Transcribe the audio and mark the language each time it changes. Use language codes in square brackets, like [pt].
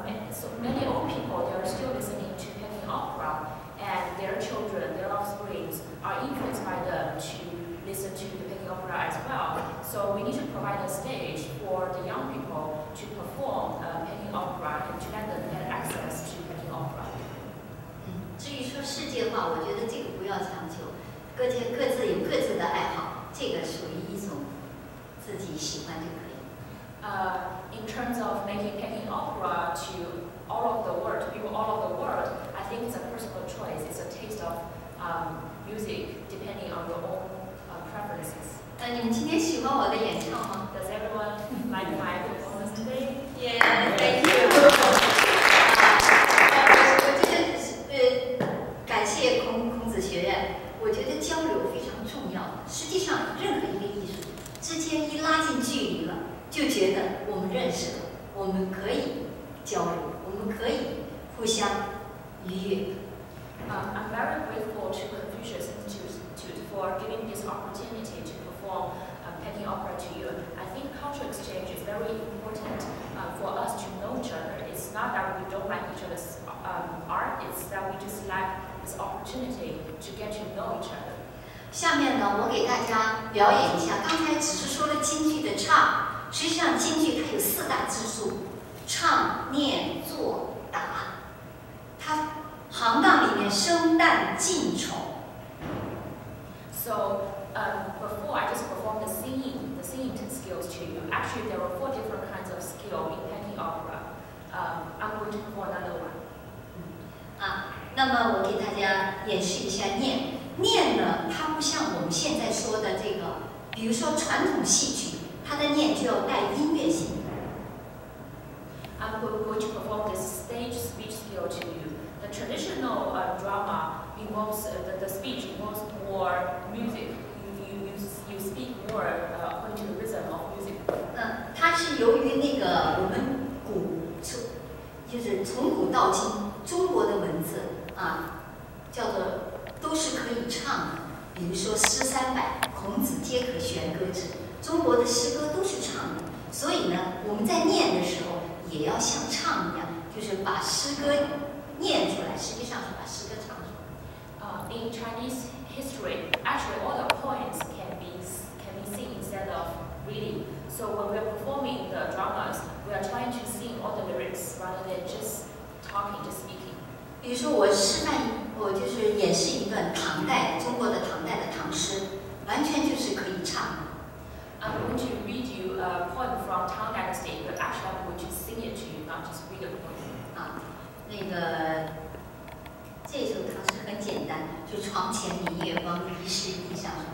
[en] So many old people, they are still listening to Peking Opera, and their children, their offsprings, are influenced by them to listen to the Peking Opera as well. So we need to provide a stage for the young people to perform Peking Opera and to let them get access to Peking Opera. [zh] 至于说世界化，我觉得这个不要强求。各界各自有各自的爱好，这个属于一种自己喜欢就可以。 [en] In terms of making Peking Opera to all of the world, to people all over the world, I think it's a personal choice. It's a taste of music depending on your own preferences. [zh] 那你们今天喜欢我的演唱吗？ [en] Does everyone like my performance today? Yeah, thank you. [zh] 我就是感谢孔子学院。我觉得交流非常重要，实际上任何一个艺术之间一拉近距离了，就觉得我们认识了，我们可以交流，我们可以互相愉悦。 [en] I'm very grateful to Confucius Institute for giving this opportunity to perform a Peking Opera to you. I think cultural exchange is very important for us to know each other. It's not that we don't like each other's art, it's that we just like this opportunity to get to know each other. [zh] 下面呢，我给大家表演一下。刚才只是说了京剧的唱，实际上京剧它有四大支柱：唱、念、做、打。它行当里面生旦净丑。 [en] So, before I just performed the singing skills to you. Actually, there were 4 different kinds of skill in Peking Opera. I'm going to perform another one. [zh] 那么我给大家演示一下念。念呢，它不像我们现在说的这个，比如说传统戏曲，它的念就要带音乐性。 [en] I'm going to perform this stage speech skill to you. The traditional drama involves the speech involves more music. You speak more according to the rhythm of music. [zh] 它是由于那个我们古就是从古到今中国的文字。叫做都是可以唱的，比如说诗三百，孔子皆可弦歌之，中国的诗歌都是唱的，所以呢，我们在念的时候也要像唱一样，就是把诗歌念出来，实际上是把诗歌唱出来。 [en] In Chinese history, actually all the poems can be seen instead of reading. So when we're performing the dramas, we are trying to sing all the lyrics rather than just talking, just speaking. [zh] 比如说我示范，我就是演示一段唐代中国的唐代的唐诗，完全就是可以唱。 [en] I'm going to read you a poem from Tang Dynasty, but actually I'm going to sing it to you, not just read a poem. [zh] 那个这首唐诗很简单，就床前明月光，疑是地上霜。